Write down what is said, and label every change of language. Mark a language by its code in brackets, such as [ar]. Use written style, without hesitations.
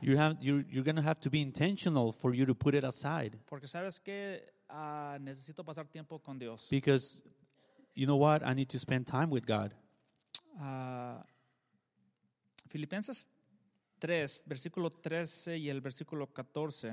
[en] You're going to have to be intentional for you to put it aside. [es] Porque sabes que necesito pasar tiempo con Dios. [en] Because you know what? I need to spend time with God. [es] Filipenses 3, versículo 13 y el versículo 14.